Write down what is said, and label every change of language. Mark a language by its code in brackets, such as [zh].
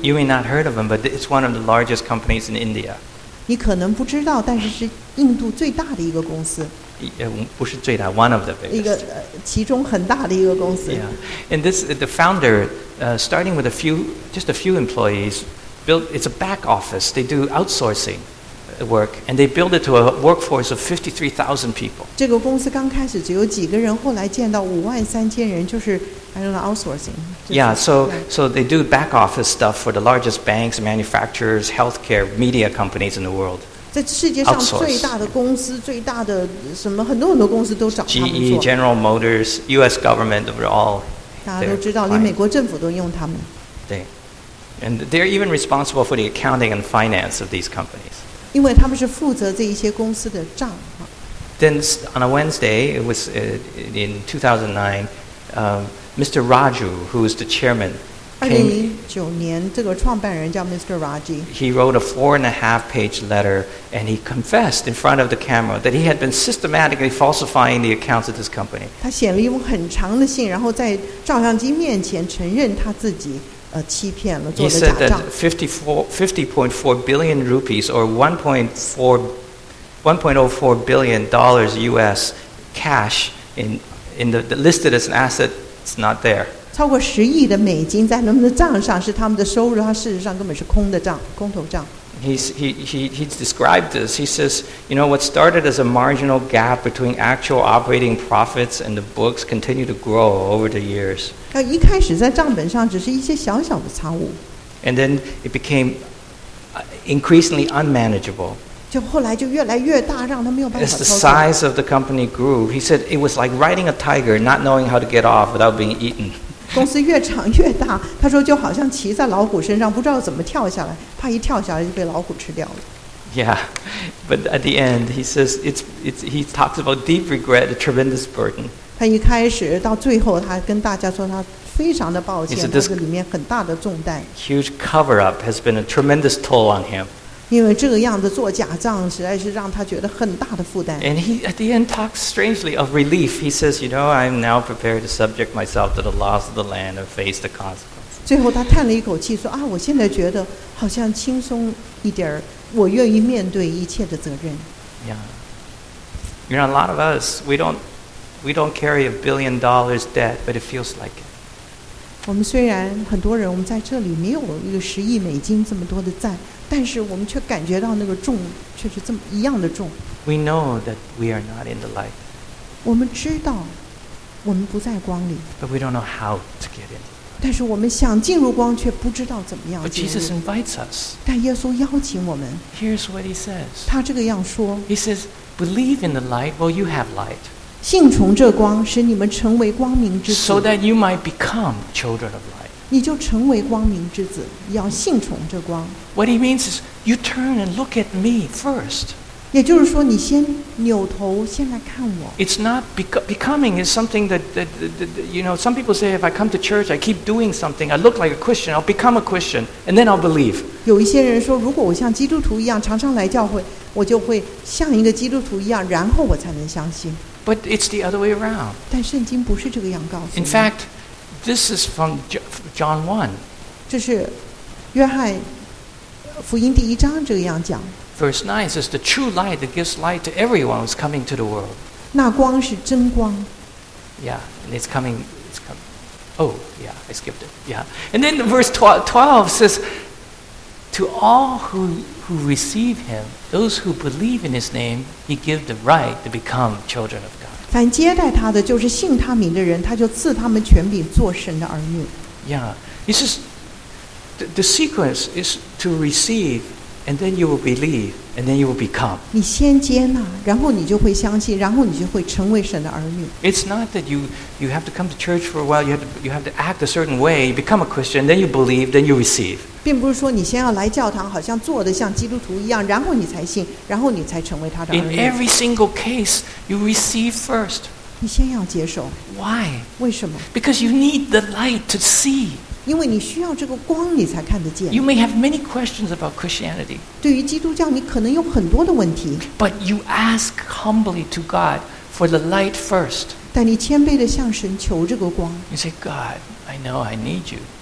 [en] You may not heard of them, but it's one of the largest companies in India. [zh] 你可能不知道，但是是印度最大的一个公司。不是最大 [en] ，one of the biggest. [zh] 一个其中很大的一个公司。 [en] Yeah, and this the founder, starting with just a few employees, built. It's a back office. They do outsourcing work, and they build it to a workforce of 53,000 people. [zh] 这个公司刚开始只有几个人，后来建到53,000人，就是 [en] I don't know outsourcing. Yeah, so they do back office stuff for the largest banks, manufacturers, healthcare, media companies in the world. [zh] 在世界上最大的公司、 [en] Outsource. [zh] 最大的什么，很多很多公司都找他们做。 [en] GE, General Motors, U.S. government, they're all. [zh] 大家都知道，连美国政府都用他们。对 [en] ，and they're even responsible for the accounting and finance of these companies. [zh] 因为他们是负责这一些公司的账。 [en] Then on a Wednesday, it was in 2009, Mr. Raju, who is the chairman. [zh] 2009年，这个创办人叫 Mr. Raji. [en] He wrote a 4.5-page letter, and he confessed in front of the camera that he had been systematically falsifying the accounts of this company. [zh] 他写了一封很长的信，然后在照相机面前承认他自己欺骗了，做了假账。 [en] He said that 50.4 billion rupees, or $1.04 billion U.S. cash in the listed as an asset, it's not there. [zh] 超过十亿的美金在他们的账上是他们的收入，他事实上根本是空的账，空头账。 [en] He described this. He says, you know, what started as a marginal gap between actual operating profits and the books continued to grow over the years. [zh] 他一开始在账本上只是一些小小的差误。 [en] And then it became increasingly unmanageable. [zh] 就后来就越来越大，让他没有办法操作。 [en] As the size of the company grew, he said it was like riding a tiger, not knowing how to get off without being eaten. [zh] 公司越长越大，他说就好像骑在老虎身上，不知道怎么跳下来，怕一跳下来就被老虎吃掉了。 [en] Yeah, but at the end, he says it's he talks about deep regret, a tremendous burden. [zh] 他一开始到最后，他跟大家说他非常的抱歉，这个里面很大的重担。 [en] Huge cover up has been a tremendous toll on him. [zh] 因为这个样子做假账实在是让他觉得很大的负担。 [en] And he at the end talks strangely of relief. He says, you know, I'm now prepared to subject myself to the laws of the land and face the consequences. [zh] 最后他叹了一口气说啊，我现在觉得好像轻松一点儿，我愿意面对一切的责任。 [en] Yeah. You know, a lot of us, we don't carry $1 billion debt, but it feels like it. [zh] 我们虽然很多人我们在这里没有一个十亿美金这么多的债。但是我们却感觉到那个重却是这么一样的重。 [en] We know that we are not in the light. [zh] 我们知道我们不在光里。 [en] But we don't know how to get in. [zh] 但是我们想进入光却不知道怎么样进入。 [en] But Jesus invites us. [zh] 但耶稣邀请我们。 [en] Here's what he says. [zh] 他这个样说。 [en] He says, believe in the light while you have light. [zh] 信从这光使你们成为光明之子。 [en] So that you might become children of light. [zh] 你就成为光明之子，要信从这光。 [en] What he means is, you turn and look at me first. [zh] 也就是说，你先扭头，先来看我。 [en] It's not becoming is something that you know. Some people say, if I come to church, I keep doing something, I look like a Christian, I'll become a Christian, and then I'll believe. [zh] 有一些人说，如果我像基督徒一样常常来教会，我就会像一个基督徒一样，然后我才能相信。 [en] But it's the other way around. [zh] 但圣经不是这个样告诉你。 [en] In fact. This is from John 1. [zh] 这是约翰福音第一章这个样讲。 [en] Verse 9 says, the true light that gives light to everyone is coming to the world. [zh] 那光是真光。 [en] Yeah, and it's coming. Oh, yeah, I skipped it. Yeah. And then verse 12 says, to all who receive him, those who believe in his name, he gives the right to become children of God. [zh] 凡接待他的就是信他名的人他就赐他们权柄做神的儿女 [en] Yeah, it's just the sequence is to receive and then you will believe and then you will become [zh] 你先接纳然后你就会相信然后你就会成为神的儿女 [en] It's not that you have to come to church for a while you have to act a certain way you become a Christian then you believe then you receive [zh] 并不是说你先要来教堂好像做得像基督徒一样然后你才信然后你才成为他的儿女 [en] In every single case you receive first [zh] 你先要接受 [en] Why? [zh] 为什么 [en] Because you need the light to see [zh] 因为你需要这个光你才看得见 [en] You may have many questions about Christianity [zh] 对于基督教你可能有很多的问题 [en] But you ask humbly to God for the light first [zh] 但你谦卑地向神求这个光 [en] You say God I know I need you